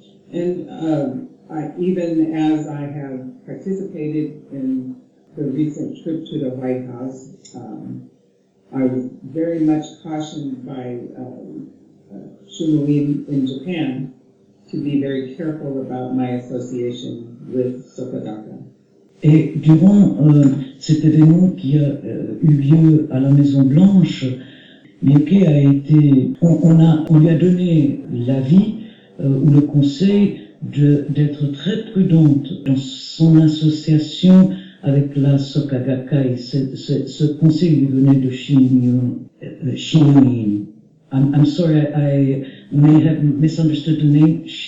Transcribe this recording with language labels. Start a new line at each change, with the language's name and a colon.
English: And even as I have participated in the recent trip to the White House, I was very much cautioned by Shumui in Japan to be very careful about my association with Soka Gakkai.
French: Et durant cet événement qui a eu lieu à la Maison Blanche, Mioke a été, on lui a donné l'avis ou le conseil d'être très prudente dans son association avec la Soka Gakkai. Ce conseil lui venait de Shinyun.
English: I'm sorry, I may have misunderstood the name.